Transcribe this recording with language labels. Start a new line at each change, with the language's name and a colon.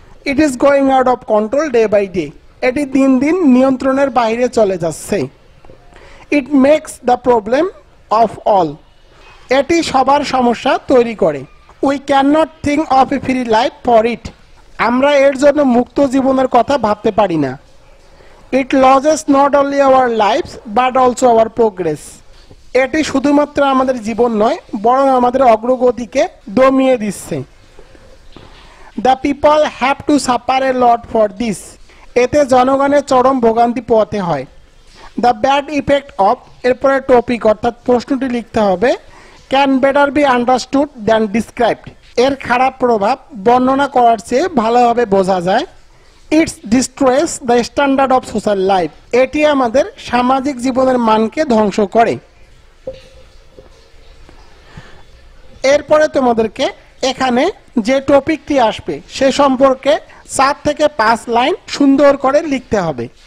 English: it is going out of control day by day
Bangla: এটি দিন দিন নিয়ন্ত্রণের বাইরে চলে যাচ্ছে
English: it makes the problem of all
Bangla: এটি সবার সমস্যা তৈরি করে
English: we can not think of a free life for it
Bangla: আমরা এর জন্য মুক্ত জীবনের কথা ভাবতে পারি না
English: It launches not only our lives but also our progress.
Bangla: এটি শুধুমাত্র আমাদের জীবন নয় বরং আমাদের অগ্রগতিকে দমিয়ে দিচ্ছে.
English: The people have to suffer a lot for this.
Bangla: এতে জনগণের চরম ভোগান্তি পোহাতে হয়।
English: The bad effect of
Bangla: এরপরে টপিক অর্থাৎ প্রশ্নটি লিখতে হবে
English: can better be understood than described.
Bangla: এর খারাপ প্রভাব বর্ণনা করার চেয়ে ভালোভাবে বোঝা যায়।
English: It destroys the standard of social life.
Bangla: এটি আমাদের সামাজিক জীবনের মানকে ধ্বংস করে। এরপরে তোমাদেরকে এখানে যে টপিকটি আসবে সে সম্পর্কে সাত থেকে পাঁচ লাইন সুন্দর করে লিখতে হবে।